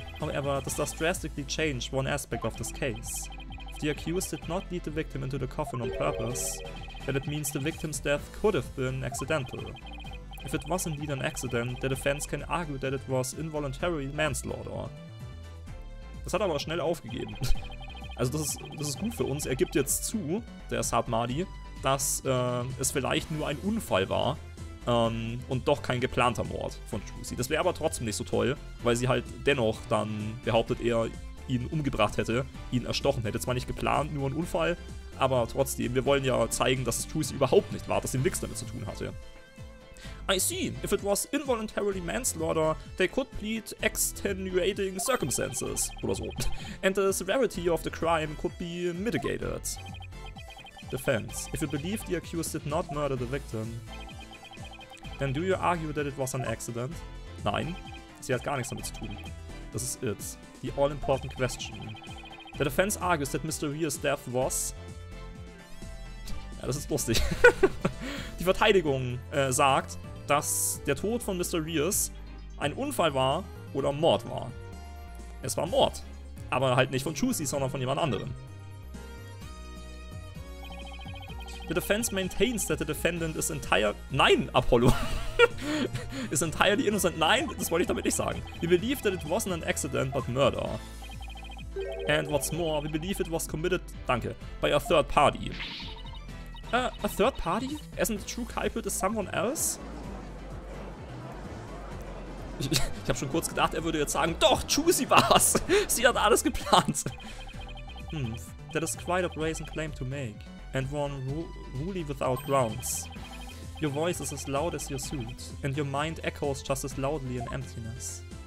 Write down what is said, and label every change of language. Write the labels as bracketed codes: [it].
[en] However, this does drastically change one aspect of this case. The accused did not lead the victim into the coffin on purpose, then it means the victim's death could have been accidental. If it was indeed an accident, the defense can argue that it was involuntary manslaughter. [de] Das hat aber schnell aufgegeben. Also das ist gut für uns. Er gibt jetzt zu, der Saab Mahdi, dass es vielleicht nur ein Unfall war und doch kein geplanter Mord von Trucy. Das wäre aber trotzdem nicht so toll, weil sie halt dennoch dann behauptet, er ihn umgebracht hätte, ihn erstochen hätte. Zwar nicht geplant, nur ein Unfall, aber trotzdem, wir wollen ja zeigen, dass es Trucy überhaupt nicht war, dass sie nichts damit zu tun hatte. [en] I see, if it was involuntarily manslaughter, they could plead extenuating circumstances, [de] oder so. [en] And the severity of the crime could be mitigated. Defense, if you believe the accused did not murder the victim, then do you argue that it was an accident? [de] Nein, sie hat gar nichts damit zu tun. Das ist [en] it. The all-important question. The defense argues that Mr. Rear's death was... [de] Ja, das ist lustig. Die Verteidigung sagt, dass der Tod von Mr. Rear's ein Unfall war oder Mord war. Es war Mord. Aber halt nicht von Trucy, sondern von jemand anderem. [en] The defense maintains that the defendant is entire... [de] Nein, [en] Apollo! Is entirely innocent. [de] Nein, das wollte ich damit nicht sagen. [en] We believe that it wasn't an accident, but murder. And what's more, we believe it was committed... [de] Danke. [en] By a third party. A third party? Isn't the true culprit is someone else? [de] Ich hab schon kurz gedacht, er würde jetzt sagen, doch, Juicy war's. Sie hat alles geplant. [en] That is quite a brazen claim to make. And one really without grounds. Your voice is as loud as your suit. And your mind echoes just as loudly in emptiness.